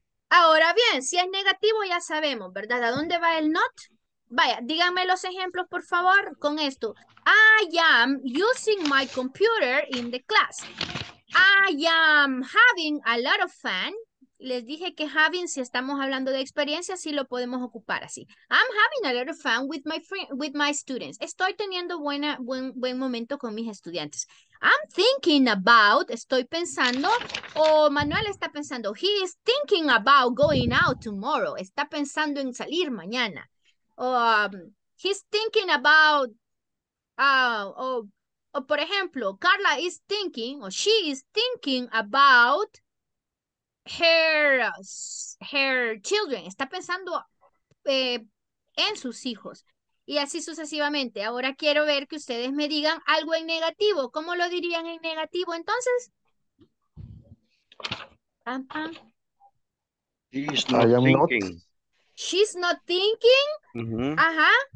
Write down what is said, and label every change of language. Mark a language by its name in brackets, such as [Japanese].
[Spanish] Ahora bien, si es negativo ya sabemos, ¿verdad? ¿A dónde va el not? Vaya, díganme los ejemplos, por favor, con esto. [English] I am using my computer in the class. I am having a lot of fun. [Spanish] Les dije que having, si estamos hablando de experiencia, sí lo podemos ocupar así. [English] I'm having a lot of fun with my students. [Spanish] Estoy teniendo buen momento con mis estudiantes. [English] I'm thinking about, [Spanish] estoy pensando, o Manuel está pensando, [English] he is thinking about going out tomorrow. [Spanish] Está pensando en salir mañana. [English] He's thinking about, o por ejemplo, Carla is thinking, o she is thinking about her children. [Spanish] Está pensando en sus hijos. Y así sucesivamente. Ahora quiero ver que ustedes me digan algo en negativo. ¿Cómo lo dirían en negativo entonces? Pam. [English] She's I not am thinking. thinking. She's not thinking. Ajá.